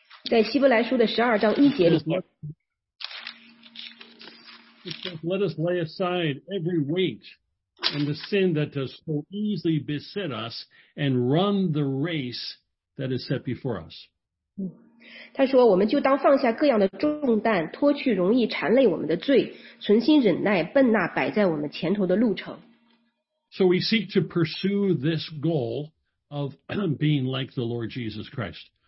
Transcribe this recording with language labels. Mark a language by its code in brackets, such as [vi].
[zh] 在希伯来书的12章1节里， [en] Let us lay aside every weight and the sin that does so easily beset us and run the race that is set before us. [zh] 他说我们就当放下各样的重担，脱去容易缠累我们的罪，存心忍耐，奔那摆在我们前头的路程。 [en] So we seek to pursue this goal of being like the Lord Jesus Christ.